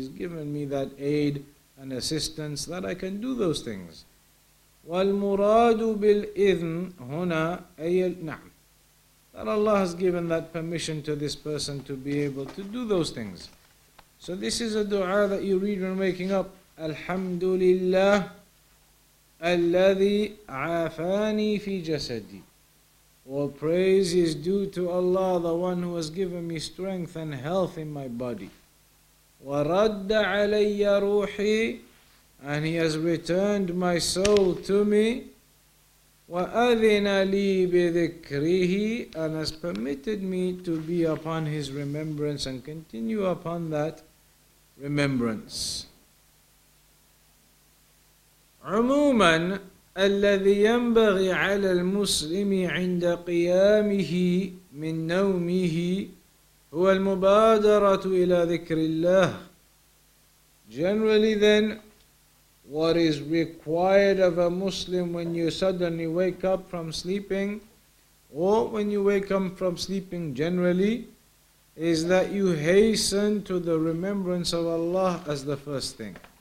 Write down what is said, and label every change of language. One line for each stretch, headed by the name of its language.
English: He's given me that aid and assistance that I can do those things.
Arabic: والمراد بالإذن هنا أي نعم
English: That Allah has given that permission to this person to be able to do those things. So this is a dua that you read when waking up.
Arabic: الحمد لله الذي عافاني في جسدي.
English: All praise is due to Allah, the one who has given me strength and health in my body.
Arabic: ورد علي روحي
English: And He has returned my soul to me.
Arabic: وأذن لي بذكره
English: And has permitted me to be upon His remembrance and continue upon that remembrance.
Arabic: عموما الذي ينبغي على المسلم عند قيامه من نومه هو المبادرة إلى ذكر الله.
English: Generally then, what is required of a Muslim when you suddenly wake up from sleeping, or when you wake up from sleeping generally, is that you hasten to the remembrance of Allah as the first thing.